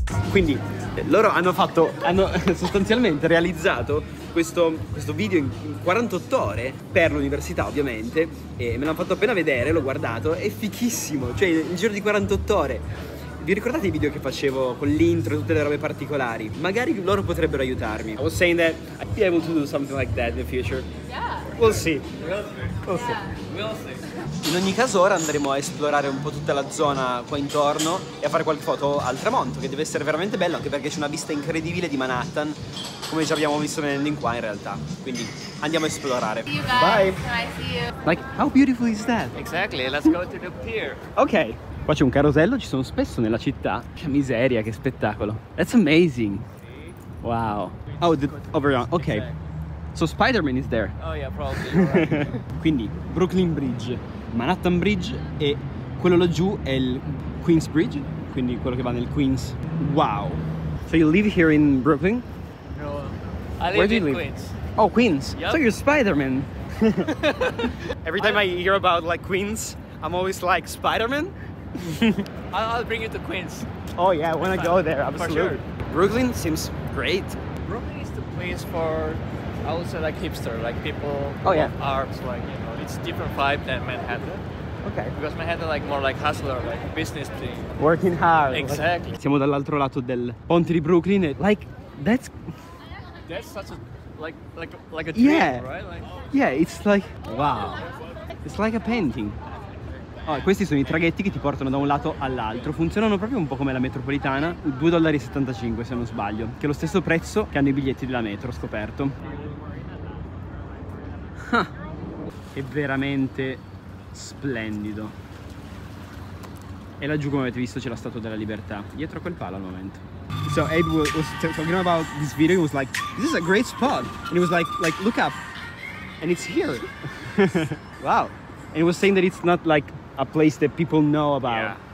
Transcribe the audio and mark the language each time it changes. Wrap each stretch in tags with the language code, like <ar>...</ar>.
<it>Quindi loro hanno sostanzialmente realizzato questo video in 48 ore per l'università, ovviamente, e me l'hanno fatto appena vedere, l'ho guardato, è fichissimo, cioè il giro di 48 ore. Vi ricordate i video che facevo con l'intro e tutte le robe particolari? Magari loro potrebbero aiutarmi.</it> <en>I was saying that I'd be able to do something like that in the future. Yeah. We'll see. We'll see. We'll see. We'll see.</en> <it>In ogni caso ora andremo a esplorare un po' tutta la zona qua intorno e a fare qualche foto al tramonto, che deve essere veramente bello, anche perché c'è una vista incredibile di Manhattan, come già abbiamo visto venendo in qua in realtà. Quindi andiamo a esplorare.</it> <en>See you guys. Bye. Can I see you? Like, how beautiful is that? Exactly, let's go to the pier.</en> <it>Ok, qua c'è un carosello, ci sono spesso nella città. Che miseria, che spettacolo.</it> <en>That's amazing. Wow. Oh, over on, ok. So Spider-Man is there. Oh yeah, probably. Right.</en> <it>Quindi Brooklyn Bridge, Manhattan Bridge e quello laggiù è il Queens Bridge, quindi quello che va nel Queens.</it> <en>Wow. So you live here in Brooklyn? No. I live in Queens. Oh, Queens. Yep. So you're Spider-Man. Every time I hear about like Queens, I'm always like Spider-Man. I'll bring you to Queens. Oh yeah, I want to go there. Absolutely. For sure. Brooklyn seems great. Brooklyn is the place for, I would say, like hipster, like people, oh yeah, arts, like, you know, it's a different vibe than Manhattan. Okay. Because Manhattan like more like hustler, like business team. Working hard. Exactly.</en> <it>Siamo dall'altro lato del ponte di Brooklyn e like</it> <en>That's such a like a dream, yeah. Right? Like... Yeah, it's like wow. It's like a painting.</en> <it>Oh, questi sono i traghetti che ti portano da un lato all'altro. Funzionano proprio un po' come la metropolitana, $2.75 se non sbaglio, che è lo stesso prezzo che hanno i biglietti della metro, ho scoperto. È veramente splendido. E laggiù, come avete visto, c'è la Statua della Libertà, dietro a quel palo al momento.</it> <en>So Abe was talking about this video, he was like, this is a great spot. And he was like look up, and it's here. Wow. And he was saying that it's not like a place that people know about.</en>